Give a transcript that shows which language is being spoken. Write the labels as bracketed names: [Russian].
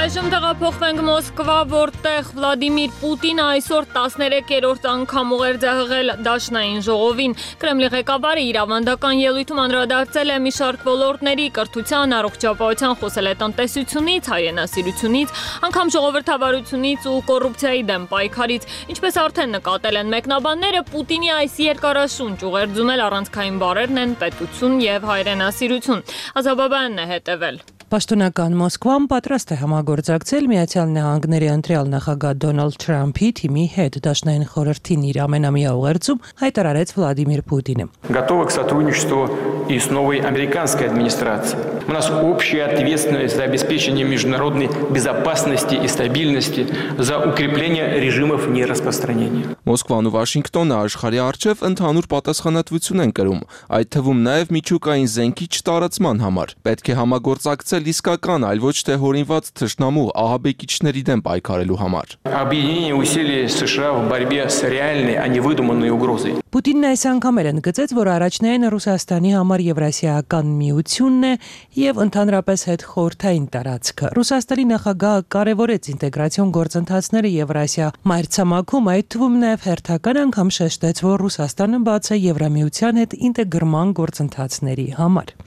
[Armenian] տեղափոխվենք Մոսկվա, որտեղ Վլադիմիր Պուտինը այսօր 13-րդ անգամ ուղեր ձեղել Դաշնային ժողովին։ Կրեմլի ղեկավարը իրավանդական ելույթում անդրադարձել է մի շարք ոլորտների կրթության, առողջապահության, խոսել է տնտեսությունից, հայրենասիրությունից, անգամ ժողովրդավարությունից ու կոռուպցիայի դեմ պայքարից։ Ինչպես արդեն նկատել են մեկնաբանները, Պուտինի այս երկարաշունչ ուղեր ձումել առանցքային բարերն են պետություն և հայրենասիրություն։ Ազաբաբյանն է հետևել։ Պաշտոնական Մոսկվան պատրաստ է համագործակցել Միացյալ Նահանգների ընտրյալ նախագահ Դոնալդ Թրամփի թիմի հետ Դաշնային խորհրդին իր ամենամյա ուղերձում, հայտարարեց Վլադիմիր Պուտինը։ [Russian] Готовы к сотрудничеству и с новой американской администрацией. У нас общая ответственность за обеспечение международной безопасности и стабильности, за укрепление режимов нераспространения. [Armenian] Մոսկվան ու Վաշինգտոնը աշխարհի առջև ընդհանուր պատասխանատվություն են կրում, այդ թվում նաև միջուկային զենքի չտարածման համար։ Պետք է համագործակցել իսկական, այլ ոչ թե հորինված թշնամու ահաբեկիչների դեմ պայքարելու համար։ [Russian] Объединение усилий США в борьбе с реальной, а не выдуманной угрозой. [Armenian] Պուտինն այս անգամ էլ ընդգծեց, որ առաջնային Ռուսաստանի համար Եվրասիական միությունն է և ընդհանրապես հետ խորհրդային տարածքը։ Ռուսաստանի նախագահը կարևորեց ինտեգրացիոն գործընթացները Եվրասիա մայրցամաքում, այդ թվում նաև հերթական անգամ շեշտեց, որ Ռուսաստանը բաց է Եվրամիության հետ ինտեգրման գործընթացների համար։